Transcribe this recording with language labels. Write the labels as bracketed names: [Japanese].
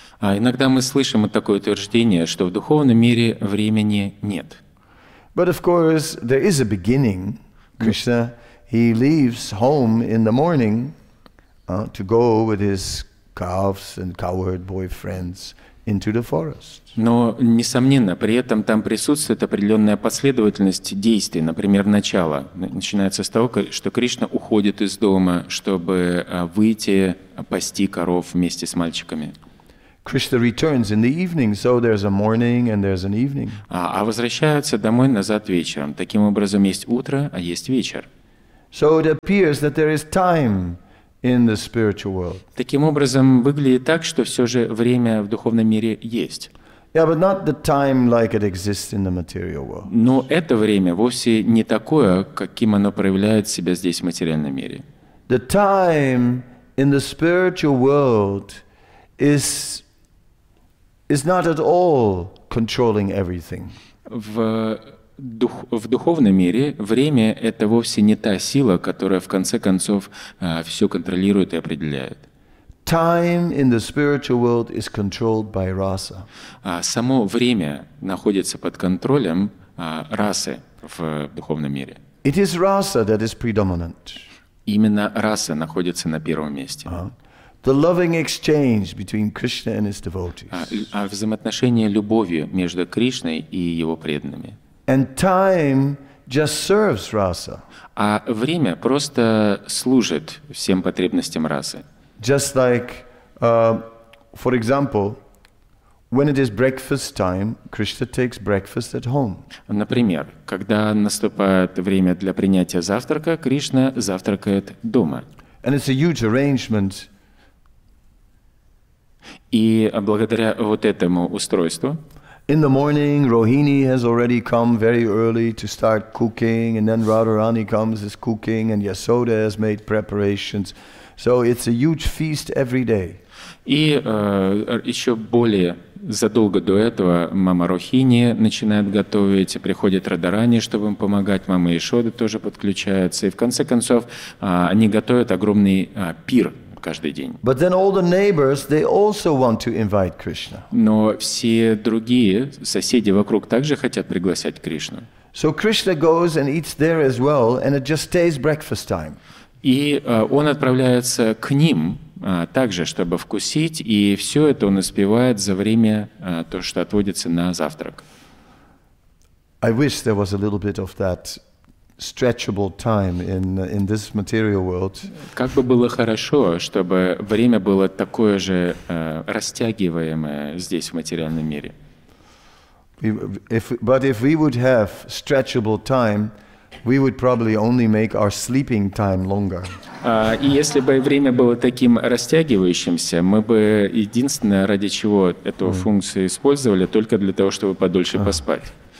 [Russian] Иногда мы слышим вот такое утверждение, что в духовном мире времени нет. [English] But of course there is a beginning. Krishna, he leaves home in the morning to go with his calves and cowherd boyfriends into the forest. [Russian] Но несомненно, при этом там присутствует определенная последовательность действий. Например, начало начинается с того, что Кришна уходит из дома, чтобы выйти пасти коров вместе с мальчиками. [English] Krishna returns in the evening, so there's a morning and there's an evening. [Russian] А возвращается домой назад вечером. Таким образом, есть утро, а есть вечер. [English] So it appears that there is time in the spiritual world. [Russian] Таким образом, выглядит так, что все же время в духовном мире есть. [English] Yeah, but not the time like it exists in the material world. [Russian] Но это время вовсе не такое, каким оно проявляет себя здесь в материальном мире. [English] The time in the spiritual world is not at all controlling everything. [Russian] В духовном мире время — это вовсе не та сила, которая в конце концов все контролирует и определяет. [English] Time in the spiritual world is controlled by rasa. [Russian] Само время находится под контролем расы в духовном мире. [English] It is rasa that is predominant. [Russian] Именно раса находится на первом месте. [English] The loving exchange between Krishna and his devotees. [Russian] Взаимоотношения любовью между Кришной и его преданными. [English] And time just serves rasa. [Russian] А время просто служит всем потребностям расы. [English] Just like, for example, When it is breakfast time, Krishna takes breakfast at home. [Russian] Например, когда наступает время для принятия завтрака, Кришна завтракает дома. [English] And it's a huge arrangement. [Russian] И благодаря вот этому устройству. [English] In the morning, Rohini has already come very early to start cooking, and then Radharani comes, is cooking, and Yasoda has made preparations. So it's a huge feast every day. [Russian] И еще более задолго до этого мама Рохини начинает готовить, приходит Радарани, чтобы им помогать, мама Ишода тоже подключается, и в конце концов они готовят огромный пир каждый день. [English] But then all the neighbors, they also want to invite Krishna. [Russian] Но все другие соседи вокруг также хотят пригласить Кришну. [English] So Krishna goes and eats there as well, and it just stays breakfast time. [Russian] И он отправляется к ним также, чтобы вкусить, и все это он успевает за время, то, что отводится на завтрак. [English] I wish there was a little bit of that stretchable time in this material world. [Russian] Как бы было хорошо, чтобы время было такое же растягиваемое здесь, в материальном мире. [English] But if we would have stretchable time, we would probably only make our sleeping time longer. [Russian] И если бы время было таким растягивающимся, мы бы единственное, ради чего эту функцию использовали, только для того, чтобы подольше поспать.